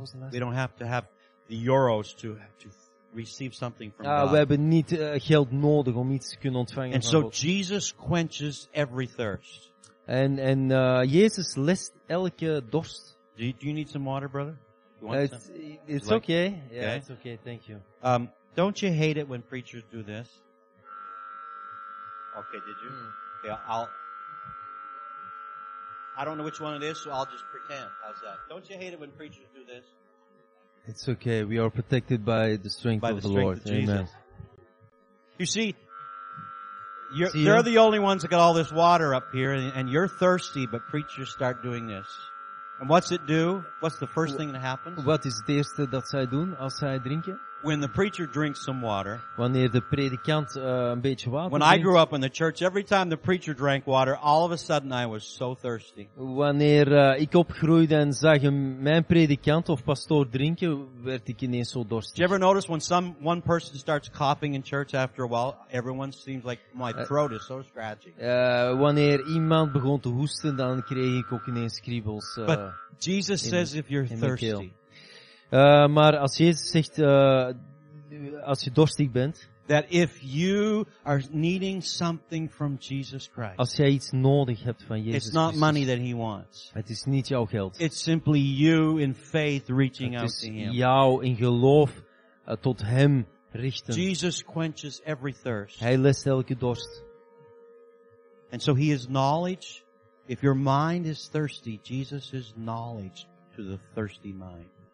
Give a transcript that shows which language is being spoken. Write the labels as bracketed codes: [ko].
[en] we don't have to have the euros to receive something from God. [nl] We hebben niet geld nodig om iets te kunnen ontvangen. And so Jesus quenches every thirst. And Jezus lest elke dorst. [en] Do you need some water, brother? It's like, okay. Yeah, okay. It's okay. Thank you. Don't you hate it when preachers do this? Okay, did you? Okay, I don't know which one it is, so I'll just pretend. How's that? Don't you hate it when preachers do this? It's okay. We are protected by the strength of the Lord. By the strength of Jesus. Amen. You see, they're the only ones that got all this water up here, and you're thirsty, but preachers start doing this. And what's it do? What's the first thing that happens? [nl] Wat is het eerste dat zij doen als zij drinken? [en] When the preacher drinks some water. [nl] Wanneer de predikant een beetje water drinkt. [en] When I grew up in the church, every time the preacher drank water, all of a sudden I was so thirsty. [nl] Wanneer ik opgroeide en zag mijn predikant of pastoor drinken, werd ik ineens zo dorstig. [en] Did you ever notice when one person starts coughing in church after a while, everyone seems like my throat is so scratchy. [nl] Wanneer iemand begon te hoesten, dan kreeg ik ook ineens kriebels. [en] But Jesus says if you're thirsty. [nl] Maar als Jezus zegt, als je dorstig bent, [en] that if you are needing something from Jesus Christ, [nl] als jij iets nodig hebt van Jezus, [en] it's not [nl] Christus, [en] money that he wants. [nl] Het is niet jouw geld. [en] It's simply you in faith reaching out to him. [nl] Het is jou in geloof tot hem richten. [en] Jesus quenches every thirst. [nl] Hij lest elke dorst. [en] And so he is knowledge. If your mind is thirsty, Jesus is knowledge to the thirsty mind.